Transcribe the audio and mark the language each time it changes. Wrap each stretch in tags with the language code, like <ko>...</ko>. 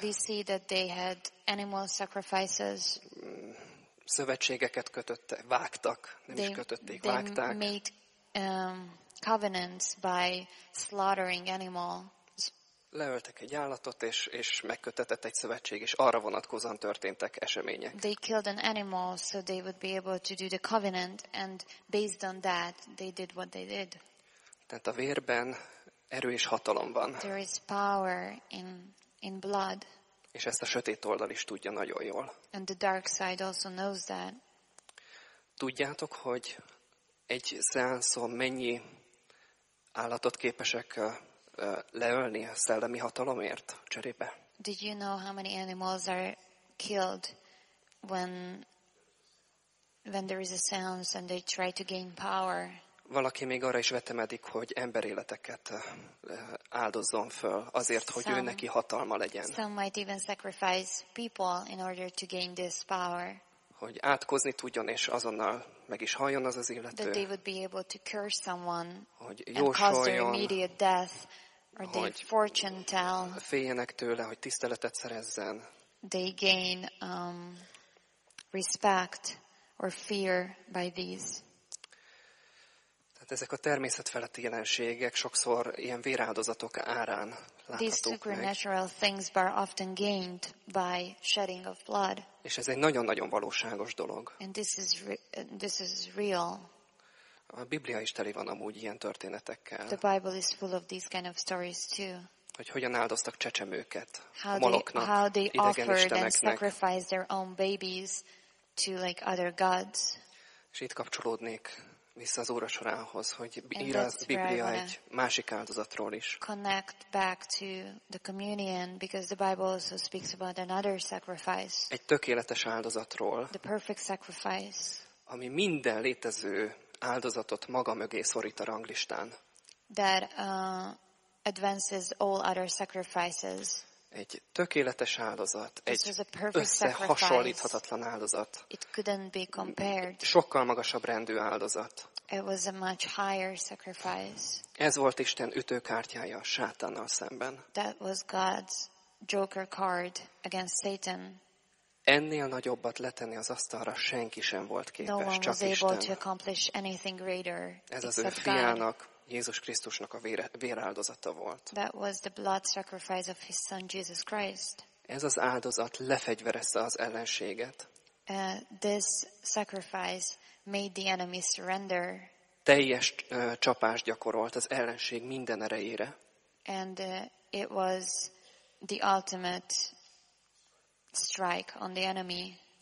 <en>We see that they had animal sacrifices.</en> <hu>Szövetségeket kötöttek, vágtak, vágták.</hu> <en>They made covenants by slaughtering animals.</en> <hu>Leöltek egy állatot, és megkötetett egy szövetség, és arra vonatkozóan történtek események.</hu> <en>They killed an animal so they would be able to do the covenant, and based on that they did what they did.</en> <hu>Tehát a vérben erő és hatalom van.</hu> <en>There is power in blood.</en> <hu>És ezt a sötét oldal is tudja nagyon jól.</hu> <en>And the dark side also knows that.</en> <hu>Tudjátok, hogy egy szeánszon mennyi állatot képesek leölni a szellemi hatalomért cserébe?</hu> <en>Did you know how many animals are killed when there is a seance and they try to gain power?</en> <hu>Valaki még arra is vetemedik, hogy emberéleteket áldozzon föl azért, hogy ő neki hatalma legyen.</hu> <en>Some might even sacrifice people in order to gain this power.</en> <hu>Hogy átkozni tudjon és azonnal meg is halljon az illető.</hu> <en>That they would be able to curse someone.</en> <hu>Hogy jósoljon.</hu> <en>Immediate death. Or they fortune tell.</en> <hu>Féljenek tőle, hogy tiszteletet szerezzen.</hu> <en>They gain respect or fear by these.</en> <hu>Tehát ezek a természetfeletti jelenségek sokszor ilyen véráldozatok árán láthatók.</hu> <en>These supernatural things are often gained by shedding of blood.</en> <hu>És ez egy nagyon-nagyon valóságos dolog.</hu> <en>And this is real.</en> <hu>A Biblia is teli van amúgy ilyen történetekkel.</hu> <en>The Bible is full of these kind of stories too.</en> <hu>Hogy hogyan áldoztak csecsemőket</hu> <en>how</en> <hu>a maloknak,</hu> <en>how they offered</en> <hu>isteneknek.</hu> <en>And sacrificed their own babies to like other gods.</en> <hu>És itt kapcsolódnék vissza az óra sorához, hogy ír a Biblia egy másik áldozatról is.</hu> <en>Connect back to the communion because the Bible also speaks about another sacrifice.</en> <hu>Egy tökéletes áldozatról.</hu> <en>The perfect sacrifice.</en> <hu>Ami minden létező áldozatot maga mögé szorít a ranglistán.</hu> <en>That advances all other sacrifices.</en> <hu>Egy tökéletes áldozat, egy összehasonlíthatatlan áldozat.</hu> <en>It couldn't be compared.</en> <hu>Sokkal magasabb rendű áldozat.</hu> <en>It was a much higher sacrifice.</en> <hu>Ez volt Isten ütőkártyája a sátánnal szemben.</hu> <en>That was God's joker card against Satan.</en> <hu>Ennél nagyobbat letenni az asztalra senki sem volt képes,</hu> <en>no one</en> <hu>csak</hu> <en>was able to accomplish anything greater.</en> <hu>Ez az ő fiának, Jézus Krisztusnak a véráldozata volt.</hu> <en>That was the blood sacrifice of his son Jesus Christ.</en> <hu>Ez az áldozat lefegyverezte az ellenséget.</hu> <en>This sacrifice made the enemy surrender.</en> <hu>Teljes csapást gyakorolt az ellenség minden erejére.</hu> <en>And it was the ultimate strike on the enemy.</en>